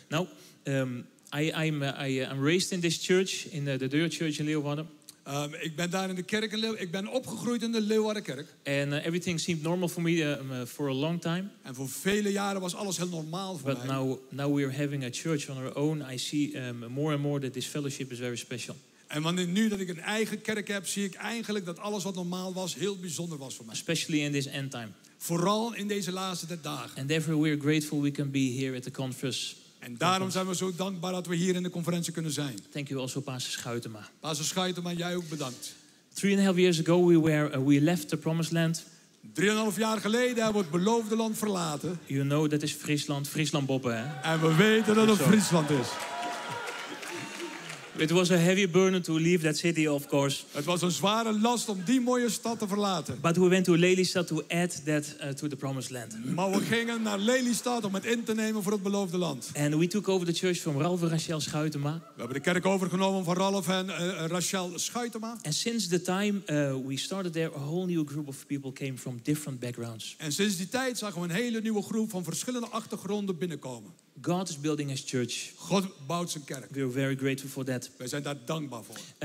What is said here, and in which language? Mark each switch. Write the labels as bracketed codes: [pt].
[en] Now, I'm raised in this church, in the Deur Church in Leeuwarden. [nl] Ik ben daar in de kerk in Leeuwarden. Ik ben opgegroeid in de Leeuwarden Kerk. [en] And everything seemed normal for me for a long time. [nl] En voor vele jaren was alles heel normaal voor [en] But [nl] mij. [en] But now we are having a church on our own. I see more and more that this fellowship is very special. [nl] En wanneer nu dat ik een eigen kerk heb, zie ik eigenlijk dat alles wat normaal was, heel bijzonder was voor mij. [en] Especially in this end time. [nl] Vooral in deze laatste dagen. [en] And therefore we are grateful we can be here at the conference. [nl] En daarom zijn we zo dankbaar dat we hier in de conferentie kunnen zijn. [en] Thank you also, Pastor Schuitema. [nl] Pastor Schuitema, jij ook bedankt. [en] 3.5 years ago we left the promised land. [nl] 3.5 jaar geleden hebben we het beloofde land verlaten. [en] You know that is Friesland, Friesland Bobbe, hè? [nl] En we weten dat het Friesland is. [en] It was a heavy burden to leave that city, of course. [nl] Het was een zware last om die mooie stad te verlaten. [en] But we went to Lelystad to add that to the promised land. [nl] Maar we gingen naar Lelystad om het in te nemen voor het beloofde land. [en] And we took over the church from Ralph and Rachel Schuitema. [nl] We hebben de kerk overgenomen van Ralph en Rachel Schuitema. [en] And since the time we started there, a whole new group of people came from different backgrounds. [nl] En sinds die tijd zagen we een hele nieuwe groep van verschillende achtergronden binnenkomen. [en] God is building his church. [nl] God bouwt zijn kerk. [en] We are very grateful for that. [nl] Wij zijn daar dankbaar voor.